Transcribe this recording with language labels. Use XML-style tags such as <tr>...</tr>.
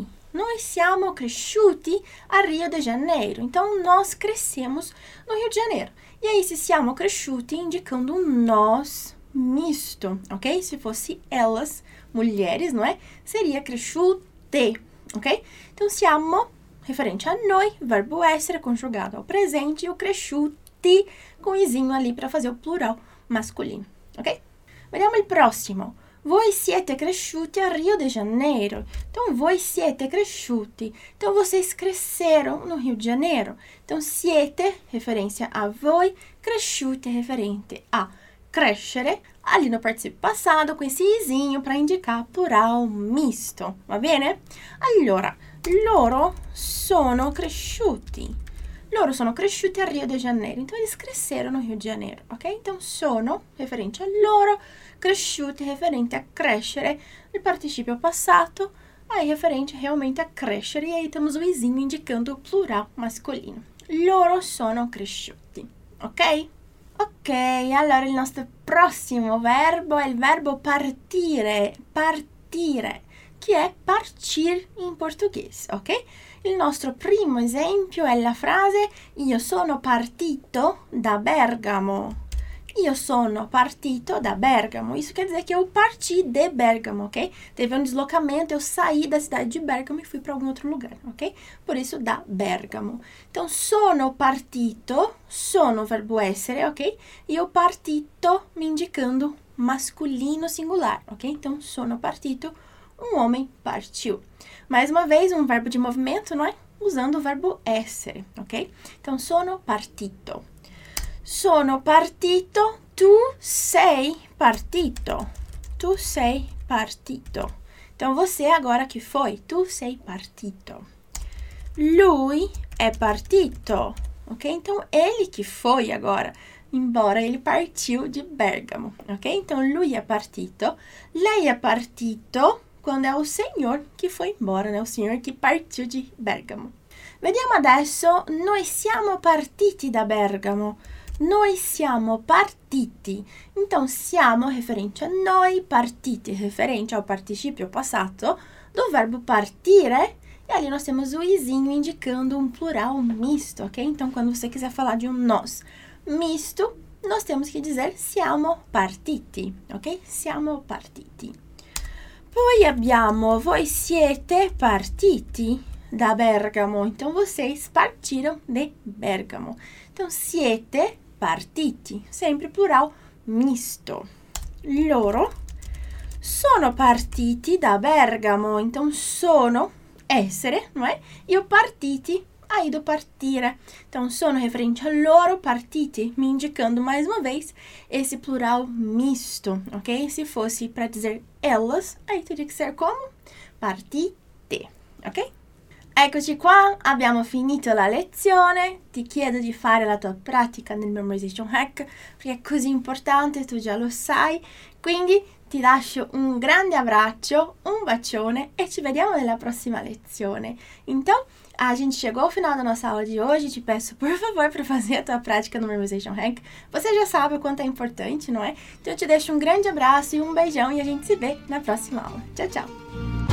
<it>Noi siamo cresciuti a Rio de Janeiro.</it> <pt>Então, nós crescemos no Rio de Janeiro. E aí, se siamo cresciuti, indicando nós misto, ok? Se fosse elas, mulheres, não é? Seria cresciute. Ok? Então, siamo, referente a noi, verbo essere, conjugado ao presente, e o cresciuti, com izinho ali para fazer o plural masculino.</pt> <it>Ok? Vediamo il prossimo. Voi siete cresciuti a Rio de Janeiro. Então, voi siete cresciuti.</it> <pt>Então, vocês cresceram no Rio de Janeiro. Então, siete, referência a voi, cresciuti, referente a crescere, ali no participio passado, com esse izinho para indicar plural misto,</pt> <it>va bene? Allora, loro sono cresciuti a Rio de Janeiro,</it> <pt>então eles cresceram no Rio de Janeiro, ok? Então, sono, referente a loro, cresciuti, referente a crescere,</pt> <it>il participio passato,</it> <pt>aí referente realmente a crescere, e aí temos o izinho indicando o plural masculino.</pt> <it>Loro sono cresciuti, ok? Ok, allora il nostro prossimo verbo è il verbo partire, partire, che è partir in portoghese, ok? Il nostro primo esempio è la frase io sono partito da Bergamo. Io sono partito da Bergamo.</it> <pt>Isso quer dizer que eu parti de Bergamo, ok? Teve um deslocamento, eu saí da cidade de Bergamo e fui para algum outro lugar, ok? Por isso, da Bergamo. Então, sono partito, sono, verbo essere, ok? E eu partito, me indicando masculino singular, ok? Então, sono partito, um homem partiu. Mais uma vez, um verbo de movimento, não é? Usando o verbo essere, ok? Então, sono partito.</pt> <it>Sono partito, tu sei partito, tu sei partito.</it> <pt>Então, você agora que foi,</pt> <it>tu sei partito. Lui è partito,</it> <pt>ok? Então, ele que foi agora, embora ele partiu de Bergamo, ok? Então,</pt> <it>lui è partito, lei è partito,</it> <pt>quando é o senhor que foi embora, né? O senhor que partiu de Bergamo.</pt> <it>Vediamo adesso, noi siamo partiti da Bergamo. Noi siamo partiti.</it> <pt>Então, siamo, referente a noi, partiti, referente ao participio passato, do verbo partire. E ali nós temos o izinho indicando um plural misto, ok? Então, quando você quiser falar de um nós misto, nós temos que dizer siamo partiti, ok? Siamo partiti.</pt> <it>Poi abbiamo, voi siete partiti da Bergamo,</it> <pt>então vocês partiram de Bergamo. Então siete partiti, sempre plural misto.</pt> <it>Loro sono partiti da Bergamo, então sono essere, non è? Io partiti, hai do partire.</it> <pt>Então sono referente a loro partiti, me indicando mais uma vez esse plural misto, ok? Se fosse para dizer elas, aí teria que ser como?</pt> <it>Partite, ok? Eccoci qua, abbiamo finito la lezione. Ti chiedo di fare la tua pratica nel memorization hack, perché è così importante, tu già lo sai. Quindi ti lascio un grande abbraccio, un bacione e ci vediamo nella prossima lezione.</it> <pt>Então, a gente chegou ao final da nossa aula de hoje. Te peço, por favor, para fazer a tua prática no memorization hack. Você já sabe o quanto é importante, não é? Então, eu te deixo um grande abraço e um beijão e a gente se vê na próxima aula. Tchau, tchau!</pt>